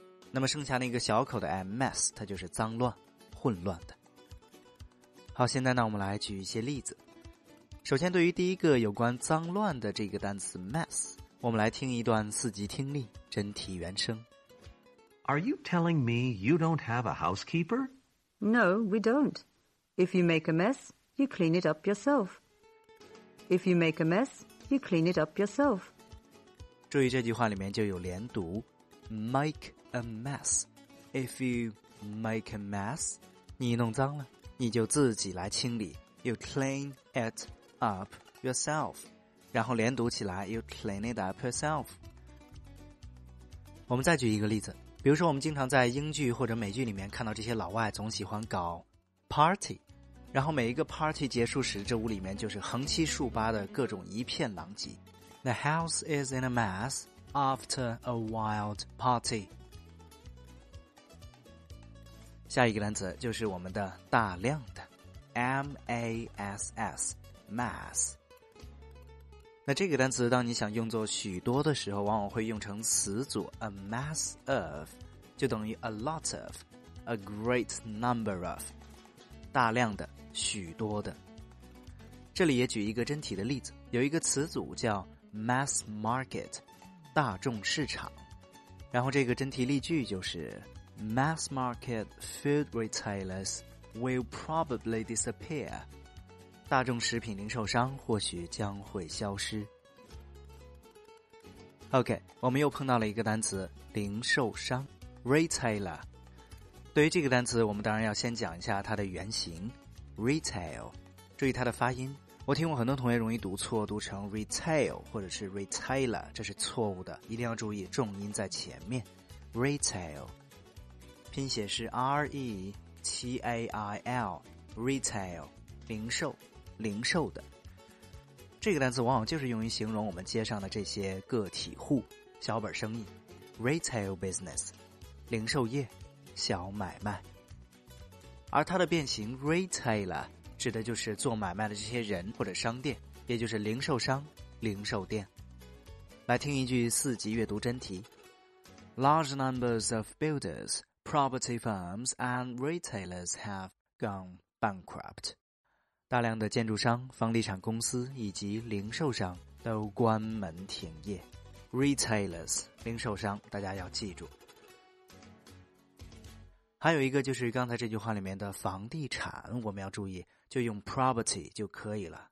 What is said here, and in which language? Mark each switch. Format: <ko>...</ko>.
<zh>那么剩下那个小口的</zh> <en>a mess，</en> <zh>它就是脏乱混乱的。好，现在呢，我们来举一些例子。首先对于第一个有关脏乱的这个单词 mess， 我们来听一段四级听力真题原声。</zh> <en>Are you telling me you don't have a housekeeper? No, we don't. If you make a mess, you clean it up yourself. If you make a mess, you clean it up yourself.</en> <zh>注意这句话里面就有连读</zh> <en>make a mess. If you make a mess,</en> <zh>你弄脏了，你就自己来清理。</zh> <en>You clean itUp yourself，</en> <zh>然后连读起来</zh> <en>，You clean it up yourself。</en> <zh>我们再举一个例子，比如说我们经常在英剧或者美剧里面看到这些老外总喜欢搞 party， 然后每一个 party 结束时，这屋里面就是横七竖八的各种一片狼藉。</zh> <en>The house is in a mess after a wild party。</en> <zh>下一个单词就是我们的大量的 ，mass。 Mass， 那这个单词当你想用作许多的时候，往往会用成词组</zh> <en>a mass of，</en> <zh>就等于</zh> <en>a lot of， a great number of，</en> <zh>大量的，许多的。这里也举一个真题的例子，有一个词组叫 mass market， 大众市场。然后这个真题例句就是</zh> <en>mass market food retailers will probably disappear。</en> <zh>大众食品零售商或许将会消失。 OK， 我们又碰到了一个单词零售商 Retailer。对于这个单词，我们当然要先讲一下它的原型 Retail。注意它的发音，我听过很多同学容易读错，读成 Retail 或者是 Retailer， 这是错误的，一定要注意重音在前面。 Retail 拼写是 R-E-T-A-I-L， Retail 零售，零售的。这个单词往往就是用于形容我们街上的这些个体户，小本生意</zh> <en>retail business，</en> <zh>零售业，小买卖。而它的变形 retailer 指的就是做买卖的这些人或者商店，也就是零售商，零售店。来听一句四级阅读真题。</zh> <en>Large numbers of builders, property firms and retailers have gone bankrupt.</en> <zh>大量的建筑商、房地产公司以及零售商都关门停业。 Retailers， 零售商，大家要记住。还有一个就是刚才这句话里面的房地产，我们要注意，就用 property 就可以了。</zh>